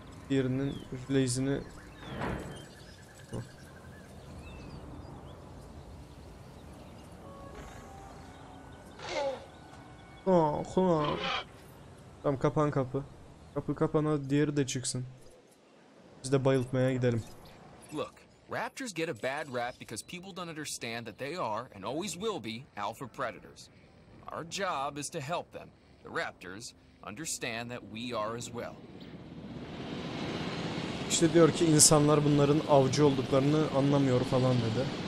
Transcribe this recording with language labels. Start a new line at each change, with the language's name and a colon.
Turkish: Diğerinin blaze'ini... Oh. Oh, oh. Tamam, kapan kapı. Kapı kapana, diğeri de çıksın. Biz de bayıltmaya gidelim.
English: Look, raptors get a bad rap because people don't understand that they are and always will be alpha predators. Our job is to help them, the raptors, understand that we are as well.
Turkish: İşte diyor ki insanlar bunların avcı olduklarını anlamıyor falan dedi.